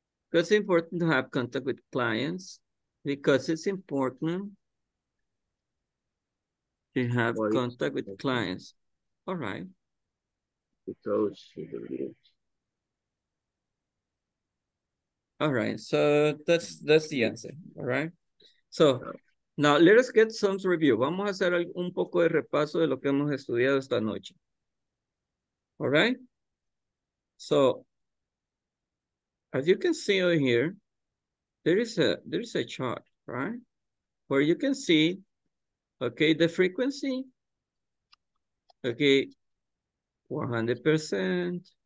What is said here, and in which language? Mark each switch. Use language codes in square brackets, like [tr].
[en] Because it's important to have contact with clients because it's important to have contact with clients. All right. Because she believes. All right, so that's the answer, all right? So now let us get some review. [es] Vamos a hacer un poco de repaso de lo que hemos estudiado esta noche. [en] All right? So as you can see over here, there is a chart, right? Where you can see, okay, the frequency, okay, 100%,